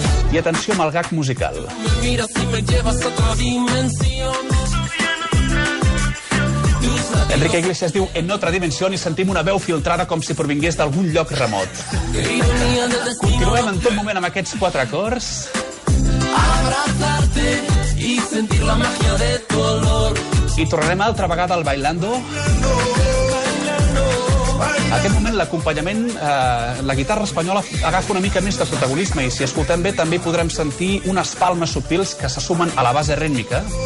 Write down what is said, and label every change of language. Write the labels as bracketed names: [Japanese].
[Catalan] I atenció amb el gag musical. [Spanish] Mira si me llevas a otra dimensión. [Catalan] Enrique Iglesias diu [Spanish] en otra dimensión [Catalan] i sentim una veu filtrada com si provingués d'algun lloc remot. Continuem en tot moment amb aquests quatre acords. [Spanish] Abrazarte y sentir la magia de tu olor. [Catalan] I tornarem altra vegada al Bailando. En aquest moment l'acompanyament, la guitarra espanyola agafa una mica més de protagonisme i si escoltem bé també podrem sentir unes palmes subtils que se sumen a la base rítmica.